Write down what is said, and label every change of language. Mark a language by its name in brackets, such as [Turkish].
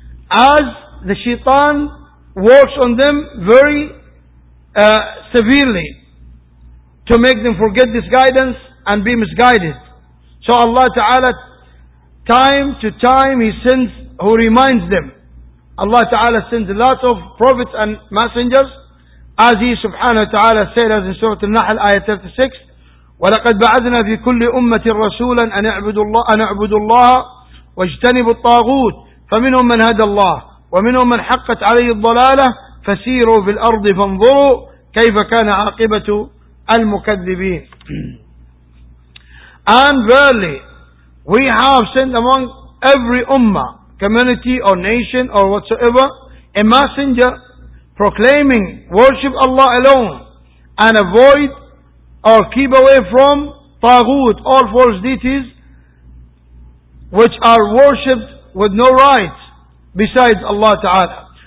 [English] As the shaitan works on them very severely to make them forget this guidance and be misguided. So Allah Ta'ala, time to time, He reminds them. Allah Ta'ala sends lots of prophets and messengers, as He subhanahu wa ta'ala said, as in Surah An-Nahl, ayah 36, [Arabic] وَلَقَدْ بَعَثْنَا فِي كُلِّ أُمَّةٍ رَسُولًا أَنِ اعْبُدُوا اللَّهَ وَاجْتَنِبُوا الطَّاغُوتِ فَمِنْهُمْ مَنْ هَدَى اللَّهُ وَمِنْهُمْ مَنْ حَقَّتْ عَلَيْهِ الضَّلَالَةُ فَسِيرُوا فِي الْأَرْضِ فَانْظُرُوا كَيْفَ كَانَ عَاقِبَةُ الْمُكَذِّبِينَ. [English] And verily, we have sent among every ummah, community or nation or whatsoever, a messenger proclaiming, worship Allah alone and avoid or keep away from taghut, all false deities which are worshipped with no rights besides Allah Ta'ala.